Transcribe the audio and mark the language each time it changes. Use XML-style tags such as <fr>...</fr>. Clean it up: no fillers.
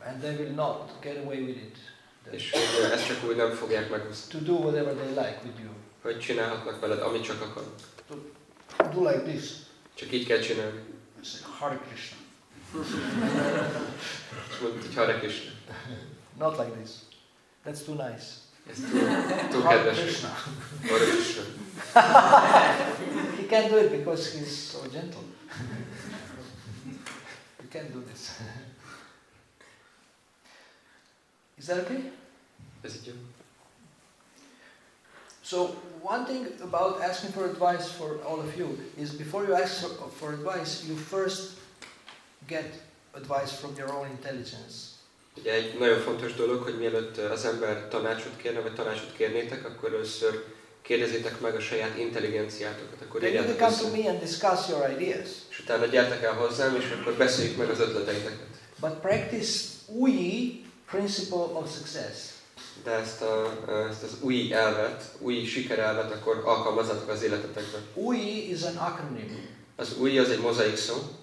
<en>And they will not get away with it.</en> <hu>És ezt csak úgy nem fogják megúszni.</hu> <en>To do whatever they like with you.</en> <hu>Hogy csinálhatnak veled, amit csak akarnak.</hu> <en>To do like this.</en> <hu>Csak így kell csinálni.</hu> <en>It's like Hare Krishna.</en> <hu>És mondtad, hogy Hare Krishna.</hu> <en>Not like this. That's too nice.</en> <hu>Ez túl kedves. Hare Krishna.</hu> <en>He can't do it because he's so gentle. You can't do this. Is that okay? Is it you? So one thing about asking for advice for all of you is before you ask for advice, you first get advice from your own intelligence.</en> <hu>Ugye egy nagyon fontos dolog, hogy mielőtt az ember tanácsot kérne, vagy tanácsot kérnétek, akkor először kérdezzétek meg a saját intelligenciátokat. Akkor</hu> <en>then you can come to me and discuss your ideas.</en> <hu>És utána gyertek el hozzám, és akkor beszéljük meg az ötleteiteket.</hu> <en>But practice UI principle of success.</en> <hu>De ezt az UI elvet, UI sikerelvet akkor alkalmazzatok az életetekben.</hu> <en>UI is an acronym.</en> <hu>Az UI az egy mozaik szó.</hu>